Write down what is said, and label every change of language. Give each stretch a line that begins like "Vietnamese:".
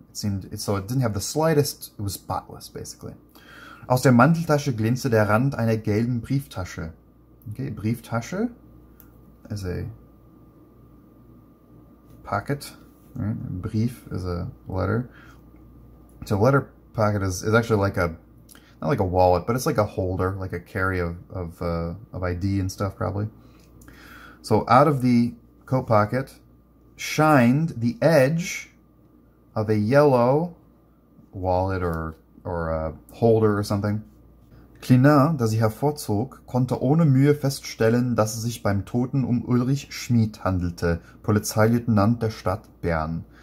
English: So it didn't have the slightest, it was spotless, basically.
German: Aus der Manteltasche glänzte der Rand einer gelben Brieftasche.
English: Okay, Brieftasche is a pocket, right? Brief is a letter. So a letter pocket is actually like a, not like a wallet, but it's like a holder, like a carry of ID and stuff, probably. So out of the coat pocket shined the edge of a yellow wallet or a holder or something.
German: Klinar, der sie hervorzog, konnte ohne Mühe feststellen, dass es sich beim Toten um Ulrich Schmid handelte, Polizeileutnant der Stadt Bern.